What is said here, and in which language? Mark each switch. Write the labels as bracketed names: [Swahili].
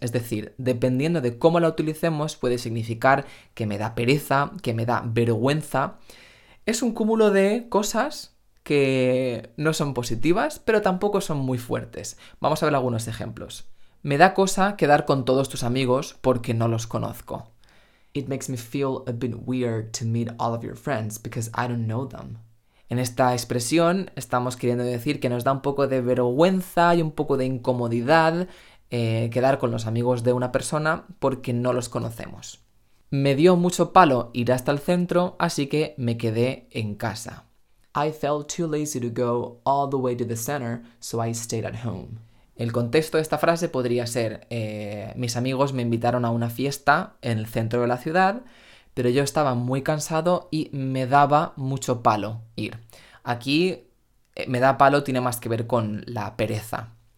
[Spanish] Es decir, dependiendo de cómo la utilicemos, puede significar que me da pereza, que me da vergüenza. Es un cúmulo de cosas que no son positivas, pero tampoco son muy fuertes. Vamos a ver algunos ejemplos. Me da cosa quedar con todos tus amigos porque no los conozco. [English] It makes me feel a bit weird to meet all of your friends because I don't know them. [Spanish] En esta expresión estamos queriendo decir que nos da un poco de vergüenza y un poco de incomodidad quedar con los amigos de una persona porque no los conocemos. Me dio mucho palo ir hasta el centro, así que me quedé en casa. [English] I felt too lazy to go all the way to the center, so I stayed at home. [Spanish] El contexto de esta frase podría ser, mis amigos me invitaron a una fiesta en el centro de la ciudad, pero yo estaba muy cansado y me daba mucho palo ir. Aquí, me da palo tiene más que ver con la pereza.